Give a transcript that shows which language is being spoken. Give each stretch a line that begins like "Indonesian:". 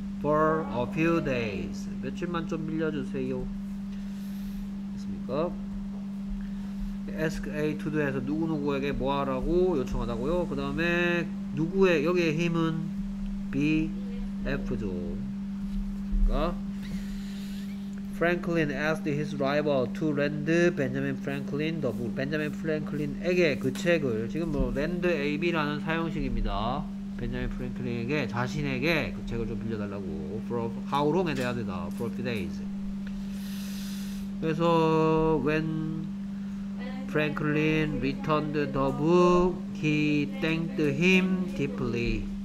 English: for a few days. 며칠만 좀 빌려주세요. 됐습니까?
Korean: ask A to do 해서 누구누구에게 뭐하라고 요청하다고요. 그 다음에 누구의 여기에 힘은 B, F죠. 됐습니까?
English: Franklin asked his rival to lend Benjamin Franklin the book.
Korean: Benjamin Franklin에게 그 책을 지금 뭐 lend AB라는 사용식입니다. 벤자민 프랭클린에게 자신에게 그 책을 좀 빌려달라고.
English: For how long에 대한 대다. For a few days. 그래서 when Franklin returned the book, he thanked him deeply.